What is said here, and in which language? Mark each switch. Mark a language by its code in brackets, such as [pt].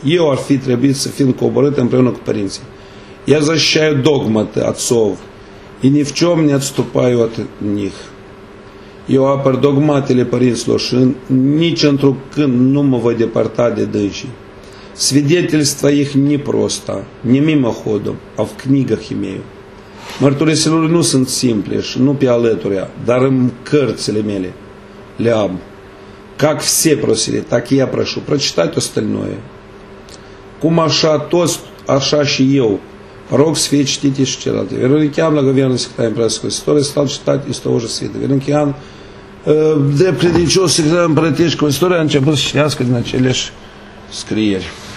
[ro] Eu ar fi trebuit să fim coborât împreună cu părinții. [ru] Я защищаю догматы отцов и ни в чем не отступаю от них. [ro] Eu apăr догматele părinților și nici într-un când nu mă voi depărta de dânsii. [ru] Свидетельство их не просто, не мимоходом, а в книгах имею. [ro] Mărturisirile lui nu sunt simple și nu pe alături, dar în cărțile mele le am. [ru] Как все просили, так я прошу. Прочитать остальное. [ro] Cum așa toți, așa și eu. Rog să fie citite și celălalt. Veronichian, blagoveanul secretar împărătescului Sistorie, stau citat [ru] из того же света. [ro] Veronichian, de predicios secretar împărătescului Sistorie, a început să citească din aceleși scrieri.